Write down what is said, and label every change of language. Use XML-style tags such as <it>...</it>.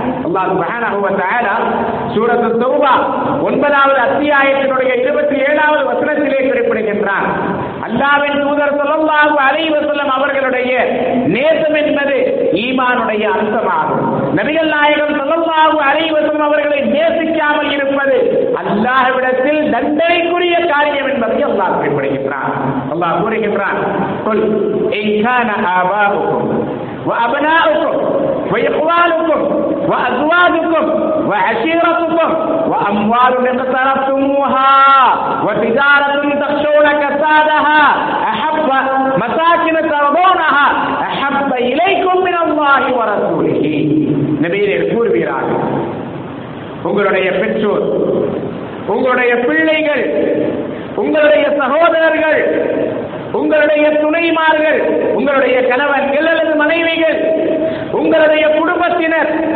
<ta>அல்லாஹ் சுப்ஹானஹு வ தஆலா சூரத் தௌபா 9வது அத்தியாயத்தினுடைய 27வது வசனத்திலே குறிப்பிடுகின்றான், அல்லாஹ்வின் தூதர் ஸல்லல்லாஹு அலைஹி வஸல்லம் அவர்களுடைய நேசம் என்பது ஈமானுடைய அம்சமாகும். நபிகள் நாயகம் ஸல்லல்லாஹு அலைஹி வஸல்லம் அவர்களை நேசிக்காமல் இருப்பது அல்லாஹ்விடத்தில் தண்டனைக்குரிய காரியம் என்பதை அல்லாஹ் குறிப்பிடுகின்றான். அல்லாஹ் கூறுகின்றான்,</ta> <ar>குல் இன் கான ஆபாஉகும் وأبناؤكم وإخوانكم وأزواجكم وعشيرتكم وأموال اقترفتموها وتجارة تخشون كسادها أحب مساكن ترضونها أحب إليكم من الله ورسوله. نبيل الكور بيران</ar> <ta>உங்களுடைய பெற்றோர், உங்களுடைய பிள்ளைகள், உங்களுடைய சகோதரர்கள், உங்களுடைய துணைமார்கள், உங்களுடைய கணவன்கள் அல்லது மனைவிகள், உங்களுடைய குடும்பத்தினர்,</ta>